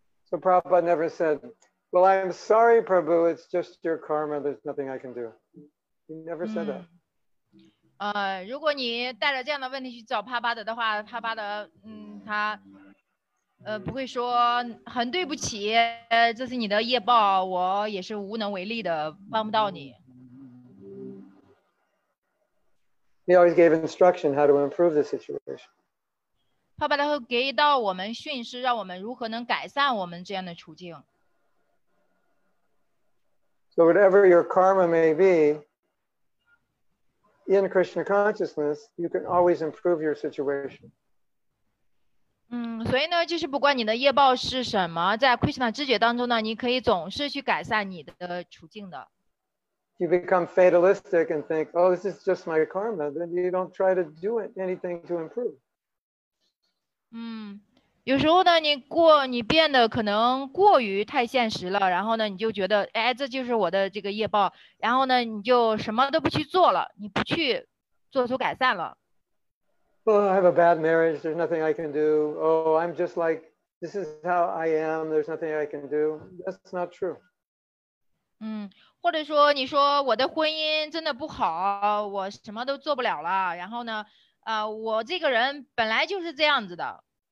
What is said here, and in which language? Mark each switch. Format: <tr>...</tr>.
<en>So Prabhupada never said, well, I'm sorry, Prabhu, it's just your karma, there's nothing I can do. He never said that.</en> <zh>如果你带着这样的问题去找帕巴德的话，帕巴德，他，不会说很对不起，这是你的业报，我也是无能为力的，帮不到你。</zh> <en>He always gave instruction how to improve the situation.</en> <zh>帕巴德会给到我们训示，让我们如何能改善我们这样的处境。</zh> <en>So whatever your karma may be. In Krishna consciousness, you can always improve your situation.</en> <zh>所以呢，就是不管你的业报是什么，在 Krishna 知觉当中呢，你可以总是去改善你的处境的。</zh> <en>You become fatalistic and think, "Oh, this is just my karma." Then you don't try to do anything to improve.</en> <zh>有时候呢，你变得可能过于太现实了，然后呢，你就觉得，哎，这就是我的这个业报，然后呢，你就什么都不去做了，你不去做出改善了。</zh> <en>Well, I have a bad marriage. There's nothing I can do. Oh, I'm just like this is how I am. There's nothing I can do. That's not true.</en> <zh>或者说你说我的婚姻真的不好，我什么都做不了了，然后呢，我这个人本来就是这样子的。</zh>